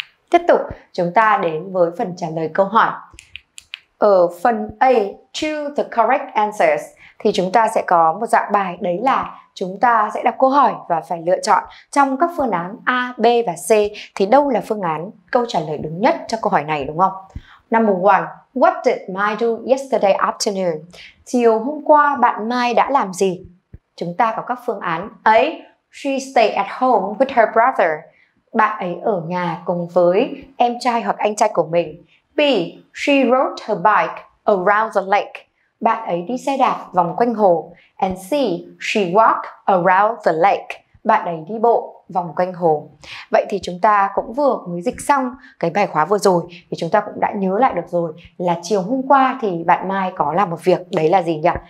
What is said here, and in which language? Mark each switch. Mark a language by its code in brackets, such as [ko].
[vi] Tiếp tục, chúng ta đến với phần trả lời câu hỏi. Ở phần A, [en] choose the correct answers, [vi] thì chúng ta sẽ có một dạng bài, đấy là chúng ta sẽ đặt câu hỏi và phải lựa chọn trong các phương án A, B và C thì đâu là phương án câu trả lời đúng nhất cho câu hỏi này, đúng không? [en] Number one, what did Mai do yesterday afternoon? [vi] Chiều hôm qua bạn Mai đã làm gì? Chúng ta có các phương án A, [en] she stayed at home with her brother. [vi] Bạn ấy ở nhà cùng với em trai hoặc anh trai của mình. [en] B, she rode her bike around the lake. [vi] Bạn ấy đi xe đạp vòng quanh hồ. [en] And C, she walked around the lake. [vi] Bạn ấy đi bộ vòng quanh hồ. Vậy thì chúng ta cũng vừa mới dịch xong cái bài khóa vừa rồi, thì chúng ta cũng đã nhớ lại được rồi là chiều hôm qua thì bạn Mai có làm một việc, đấy là gì nhỉ?